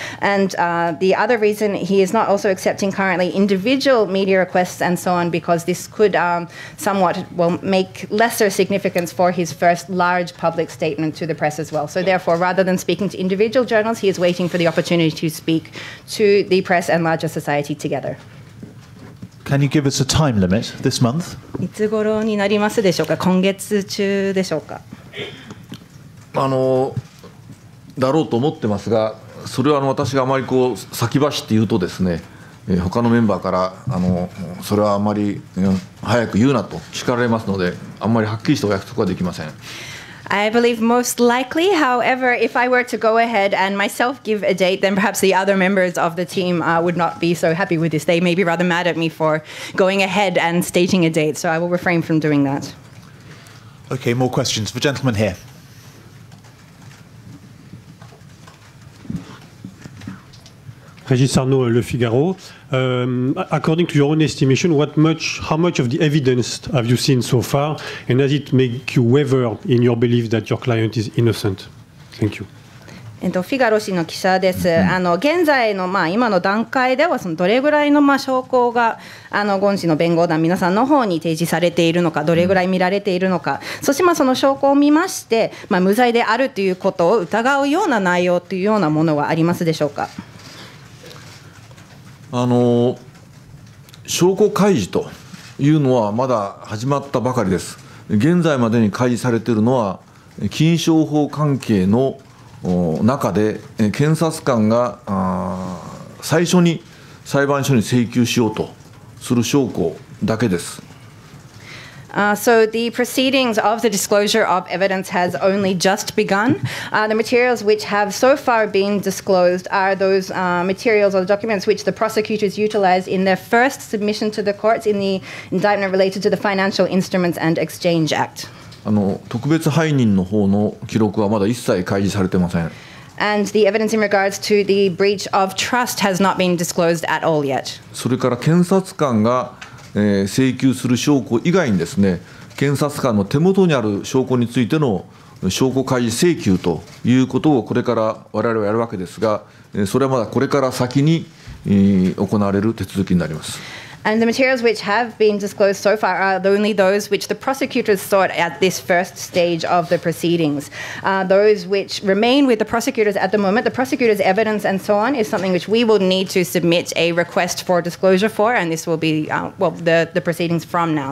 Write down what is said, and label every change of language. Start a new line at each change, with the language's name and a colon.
English: And the other reason, he is not also accepting currently individual media requests and so on, because this could somewhat well make lesser significance for his first large public statement to the press as well. So therefore, rather than speaking to individual journalists, he is waiting for the opportunity to speak to the press and larger society together. Can you give us a time limit this month?
Japanese: いつ頃になりますでしょうか。今月中でしょうか。だろうと思ってますが、それは私があまりこう先走って言うとですね、他のメンバーからそれはあまり早く言うなと叱られますので、あんまりはっきりしたお約束はできません。
English: I believe most likely. However, if I were to go ahead and myself give a date, then perhaps the other members of the team would not be so happy with this. They may be rather mad at me for going ahead and stating a date. So I will refrain from doing that. Okay, more questions. The gentleman here. Régis Arnaud, Le Figaro. According to your own estimation, how much of the evidence have you seen so far, and does it make you waver in your belief that your client is innocent? Thank you.
Japanese: フィガロ氏の記者です。現在の、今の段階ではそのどれぐらいの、証拠がゴン氏の弁護団皆さんの方に提示されているのか、どれぐらい見られているのか、そしてその証拠を見まして、無罪であるということを疑うような内容というようなものはありますでしょうか。証拠開示というのはまだ始まったばかりです。現在までに開示されているのは金商法関係の中で検察官が最初に裁判所に請求しようとする証拠だけです。
English: So the proceedings of the disclosure of evidence has only just begun. The materials which have so far been disclosed are those materials or documents which the prosecutors utilized in their first submission to the courts in the indictment related to the Financial Instruments and Exchange Act.
Japanese: 特別背任の方の記録はまだ一切開示されてません。
English: And the evidence in regards to the breach of trust has not been disclosed at all yet.
Japanese: それから検察官が請求する証拠以外にですね、検察官の手元にある証拠についての証拠開示請求ということをこれから我々はやるわけですが、それはまだこれから先に行われる手続きになります。
English: And the materials which have been disclosed so far are only those which the prosecutors sought at this first stage of the proceedings. Those which remain with the prosecutors at the moment, the prosecutor's evidence and so on, is something which we will need to submit a request for disclosure for, and this will be the proceedings from now.